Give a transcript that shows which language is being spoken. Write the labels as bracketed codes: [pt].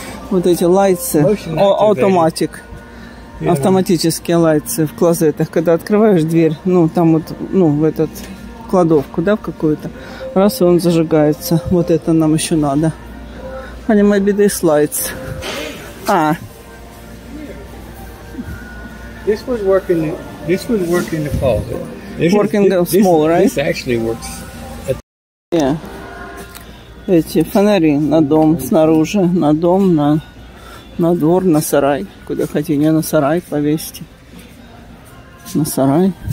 [ru] Вот эти лайцы. Automatic. Автоматические лайцы в клозетах. Когда открываешь дверь, ну там вот, ну, в этот кладовку, да, в какую-то. Раз, и он зажигается. Вот это нам еще надо. [en] Honey, maybe these lights. Ah. This would work in the closet. This working is, this, small, this, right? This actually works. Yeah. [ru] Эти фонари на дом снаружи, на дом, на двор, на сарай, куда хотите, не на сарай повесьте. На сарай.